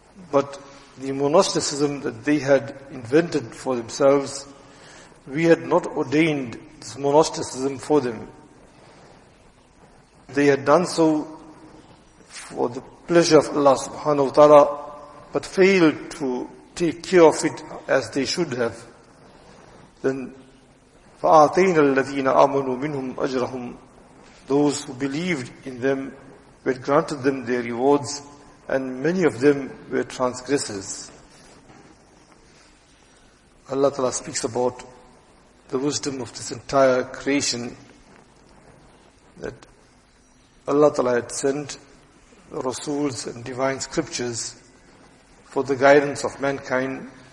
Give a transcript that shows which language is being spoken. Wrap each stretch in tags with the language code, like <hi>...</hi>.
<en>But the monasticism that they had invented for themselves, we had not ordained this monasticism for them. They had done so for the pleasure of Allah subhanahu wa ta'ala, but failed to take care of it as they should have.</en> <ar>Then, فَآتَيْنَا الَّذِينَ آمَنُوا مِنْهُمْ أَجْرَهُمْ.</ar> <en>Those who believed in them, we had granted them their rewards, and many of them were transgressors. Allah Ta'ala speaks about the wisdom of this entire creation, that Allah Ta'ala had sent the Rasuls and divine scriptures for the guidance of mankind.</en>